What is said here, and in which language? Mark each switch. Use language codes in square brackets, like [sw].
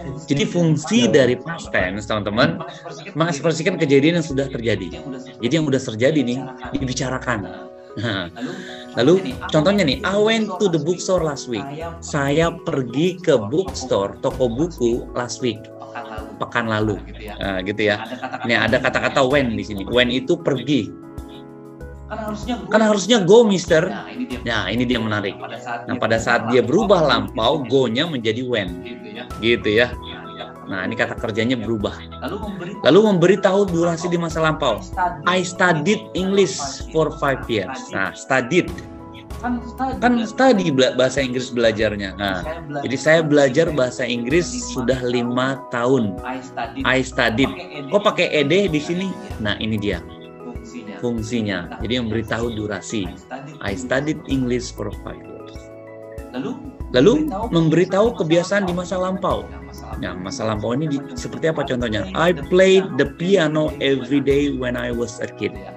[id] Jadi fungsi dari past tense, teman-teman, mengekspresikan kejadian yang sudah terjadi. Jadi yang sudah terjadi nih, dibicarakan. Lalu, contohnya nih, [en] I went to the bookstore last week. [id] Saya pergi ke bookstore, toko buku, last week. Pekan lalu. Gitu ya. Ini ada kata-kata when di sini. When itu pergi. Kan harusnya go, Mister. Nah, ini dia menarik. Pada saat dia berubah lampau, go-nya menjadi when. Gitu ya. Nah, ini kata kerjanya berubah. Lalu memberi tahu durasi di masa lampau. [en] I studied English for 5 years. Nah, studied. [id] Kan study bahasa Inggris belajarnya. Nah, jadi saya belajar bahasa Inggris sudah 5 tahun. [en] I studied. [id] Kok pakai ed di sini? Nah, ini dia. Fungsinya, jadi memberitahu durasi. [en] I studied English for 5 years. [id] Lalu memberitahu kebiasaan di masa lampau. Nah, masa lampau ini seperti apa contohnya? [en] I played the piano every day when I was a kid.